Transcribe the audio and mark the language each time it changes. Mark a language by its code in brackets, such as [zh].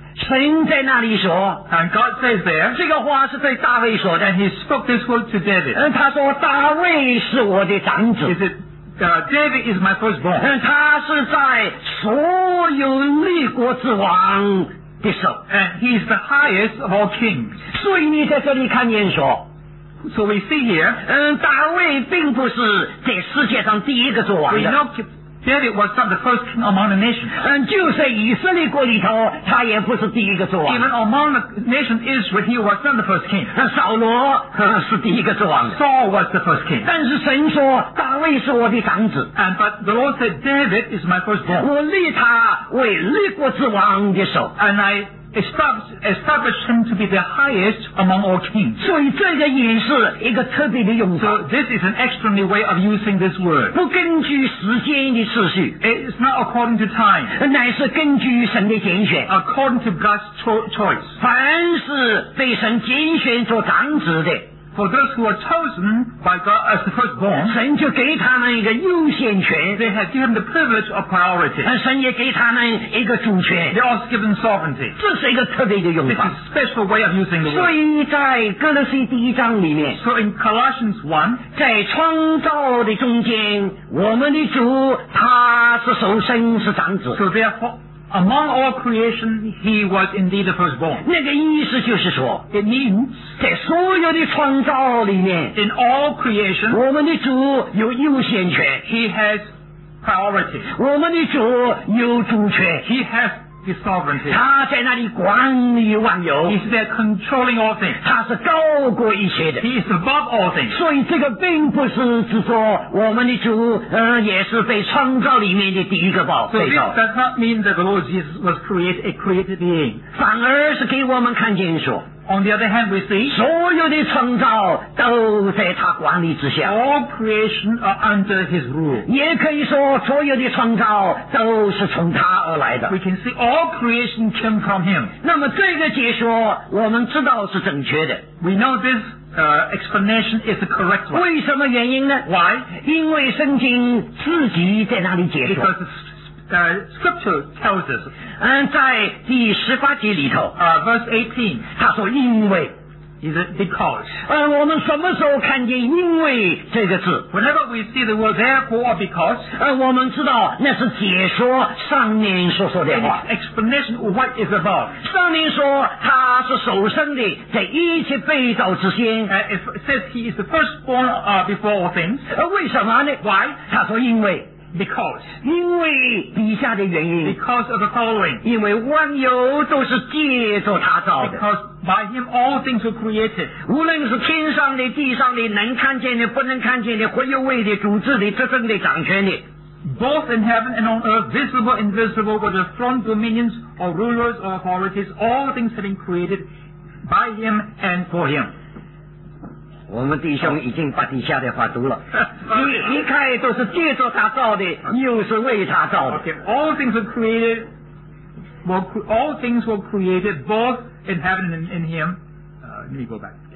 [zh] 神在那里说 [en] And God says there [zh] 这个话是对大卫说的 [en] And he spoke this word to David [zh] 他说大卫是我的长子 [en] Is it, David is my firstborn [zh] 他是在所有立国之王的首 [en] And he is the highest of all kings [zh] 所以你在这里看见说 [en] So we see here [zh] 大卫并不是在世界上第一个做王的 [en] We know,David was not the first king among the nations. [zh] 就是以色列国里头，他也不是第一个做王。 [en] Even among the nation Israel, he was not the first king. [zh] 扫罗是第一个做王的。 [en] Saul was the first king. [zh] 但是神说，大卫是我的长子。 [en] And but the Lord said, David is my firstborn. [zh] 我立他为立国之王的首。 [en] And I established him to be the highest among all kings. [zh] 所以这个也是一个特别的用法。 [en] So this is an extraordinary way of using this word. [zh] 不根据时间的次序。 [en] It's not according to time. [zh] 乃是根据神的拣选。 [en] According to God's choice. [zh] 凡是被神拣选做长子的。 [en] For those who are chosen by God as the firstborn, [zh] 神就给他们一个优先权。 [en] They have given the privilege of priority. [zh] 神也给他们一个主权。 [en] They also given sovereignty. [zh] 这是一个特别的用法。 [en] This is a special way of using the word. [zh] 所以在哥罗西第一章里面。 [en] So in Colossians 1, [zh] 在创造的中间，我们的主他是首先是长子。 [en] So therefore,Among all creation, he was indeed the firstborn. [zh] 那个意思就是说 [en] It means, [zh] 在所有的创造里面 [en] In all creation, [zh] 我们的主有优先权 [en] He has priority. [zh] 我们的主有主权 [en] He has the sovereignty. [zh] 他在那里管理万有 [en] He's there controlling all things. [zh] 他是高过一切的 [en] He is above all things. [zh] 所以这个并不是只说我们的主也是被创造里面的第一个宝 [en] So this does not mean that the Lord Jesus was created a created being. [zh] 反而是给我们看见说 [en] On the other hand, we see [zh] 所有的创造都在他管理之下。 [en] All creation are under his rule. [zh] 也可以说所有的创造都是从他而来的。 [en] We can see all creation came from him. [zh] 那么这个解说我们知道是正确的。 [en] We know this explanation is the correct one. [zh] 为什么原因呢？ [en] Why? [zh] 因为圣经自己在那里解说。 [en] Scripture tells us. [zh] 在第十八节里头。 [en] Verse 18. [zh] 他说因为。 [en] Is it because? [zh] 我们什么时候看见因为这个字？ [en] Whenever we see the word therefore or because. [zh] 我们知道那是解说上面所说的话。 [en] Explanation of what is about. [zh] 上面说他是首生的，在一切被造之先。 [en] It says he is the firstborn before all things. [zh] 为什么呢？ [en] Why? [zh] 他说因为。 [en] Because, [zh] 因为底下的原因 [en] because of the following, [zh] 因为万有都是借着他造的 [en] because by him all things were created, [zh] 无论是天上的地上的能看见的不能看见的活有位的主治的执政的掌权的 [en] both in heaven and on earth, visible and invisible, whether throne dominions or rulers or authorities, all things have been created by him and for him. [zh] 我们弟兄已经把底下的话读了，一看都是借着他造的，又是为他造的。 [en] Okay, all things were created, all things were created both in heaven and in him. Let me go back.